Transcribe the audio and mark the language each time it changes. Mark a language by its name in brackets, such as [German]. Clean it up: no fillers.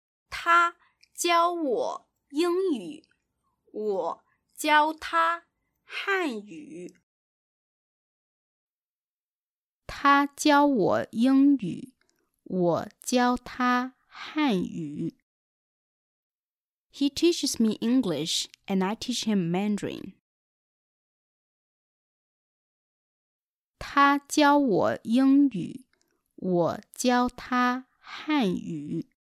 [Chinese] 他教我英语，我教他汉语。他教我英语，我教他汉语。 [English] He teaches me English, and I teach him Mandarin. [Chinese] 他教我英语，我教他汉语。